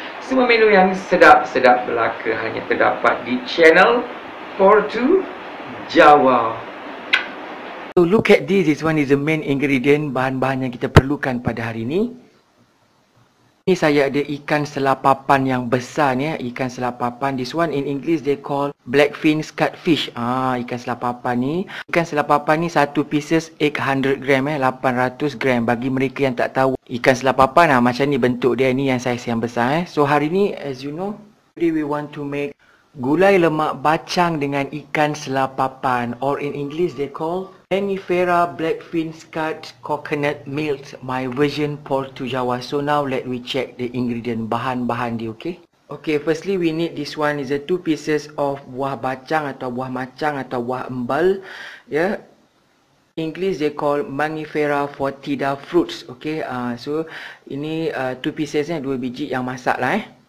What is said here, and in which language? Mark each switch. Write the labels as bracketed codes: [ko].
[ms] Semua menu yang sedap-sedap belaka hanya terdapat di channel Portu Jawa. [en] So look at this. This one is the main ingredient, [ms] bahan-bahan yang kita perlukan pada hari ini. Ini saya ada ikan selapapan yang besar ni, ikan selapapan. [en] This one in English they call black fin scut fish. [ms] Ikan selapapan ni, ikan selapapan ni satu pieces 800 gram, 800 gram. Bagi mereka yang tak tahu ikan selapapan, macam ni bentuk dia ni, yang saiz yang besar. [en] So [ms] hari ni, [en] as you know, today we want to make gulai lemak bacang dengan ikan selapapan, or in English they call Mangifera blackfin scut coconut milk, my version Portu Jawa. So now let me check the ingredient, [ms] bahan-bahan dia, [en] okay? Okay, firstly we need this one is a 2 pieces of [ms] buah bacang atau buah macang atau buah embal, [en] yeah. English they call Mangifera fortida fruits, okay? [ms] So ini 2 pieces ni, 2 biji yang masak lah.